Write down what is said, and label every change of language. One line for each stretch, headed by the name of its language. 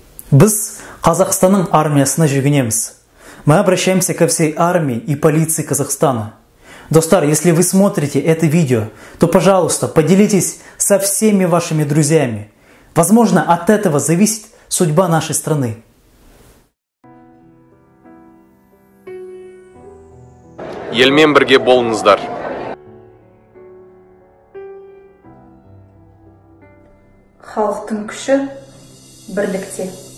Kazakh: Біз Қазақстанның армиясына жүгінеміз.
Russian: Мы обращаемся ко всей армии и полиции Казахстана. Достар, если вы смотрите это видео, то, пожалуйста, поделитесь со всеми вашими друзьями. Возможно, от этого зависит судьба нашей страны.
Kazakh: Елмен бірге болыңыздар. Халықтың күші бірлікте.